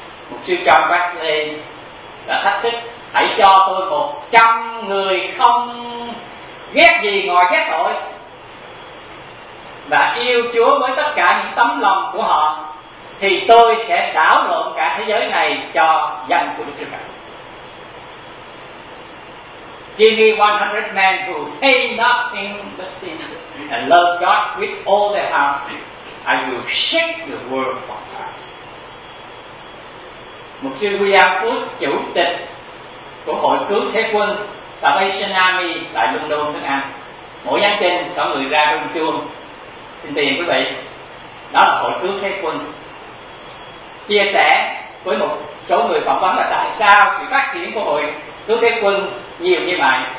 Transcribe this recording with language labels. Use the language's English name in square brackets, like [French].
[Vietnamese] Mục sư John Wesley đã thách thức: hãy cho tôi 100 người không ghét gì ngoài ghét tội và yêu Chúa với tất cả những tấm lòng của họ, thì tôi sẽ đảo lộn cả thế giới này cho danh của Đức Chúa Trời. [English] Give me 100 men who hate nothing but sin and love God with all their hearts, I will shake the world for Christ. [Vietnamese] Mục sư William Booth, chủ tịch của Hội Cứu Thế Quân Salvation Army tại London, Nước Anh, mỗi Giáng sinh có người ra rung chuông xin tiền quý vị, đó là Hội Cứu Thế Quân, chia sẻ với một số người phỏng vấn là tại sao sự phát triển của Hội Cứu Thế Quân nhiều như vậy.